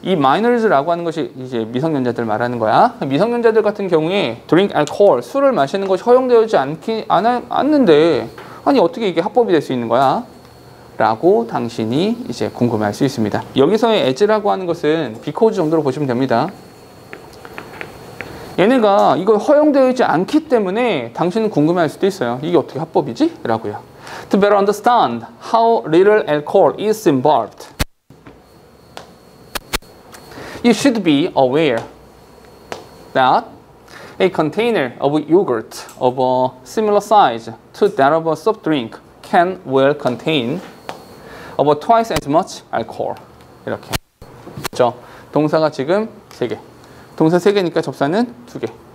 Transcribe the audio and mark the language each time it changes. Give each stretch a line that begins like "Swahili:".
Korean: 이 minors라고 하는 것이 이제 미성년자들 말하는 거야. 미성년자들 같은 경우에
English: drink alcohol
Korean: 술을 마시는 것이 허용되지 않는데 아니 어떻게 이게 합법이 될 수 있는 거야? 라고 당신이 이제 궁금해할 수 있습니다. 여기서의 as라고 하는 것은 because 정도로 보시면 됩니다. 얘네가 이거 허용되어 있지 않기 때문에 당신은 궁금해할 수도 있어요. 이게 어떻게 합법이지? 라고요.
English: To better understand how little alcohol is involved, you should be aware that a container of yogurt of a similar size to that of a soft drink can well contain about twice as much alcohol.
Korean: 이렇게. 그렇죠? 동사가 지금 세 개. 동사 세 개니까 접사는 두 개.